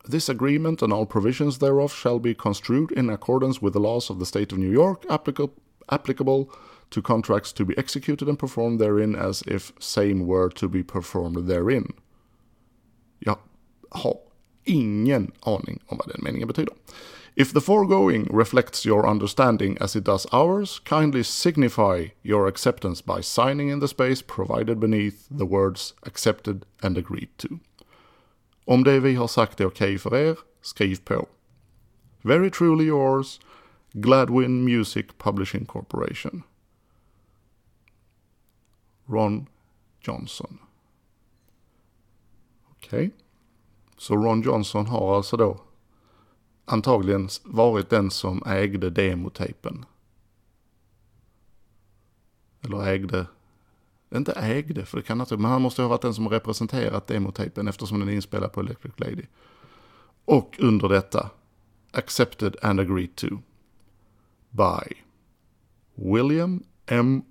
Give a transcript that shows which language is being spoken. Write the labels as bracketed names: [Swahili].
[English] This agreement and all provisions thereof shall be construed in accordance with the laws of the state of New York applicable to contracts to be executed and performed therein as if same were to be performed therein. [Swedish] Jag har ingen aning om vad den meningen betyder. [English] If the foregoing reflects your understanding as it does ours, kindly signify your acceptance by signing in the space provided beneath the words accepted and agreed to. [Swedish] Om det vi har sagt är okej för er, skriv på. [English] Very truly yours, Gladwin Music Publishing Corporation. [Swedish] Ron Johnson. Okej. Okay. Så Ron Johnson har alltså då antagligen varit den som ägde demotapen. Eller ägde... Inte ägde, för det kan inte, men han måste ha varit den som har representerat demotapen eftersom den är inspelad på Electric Lady. Och under detta, [English] accepted and agreed to by William M.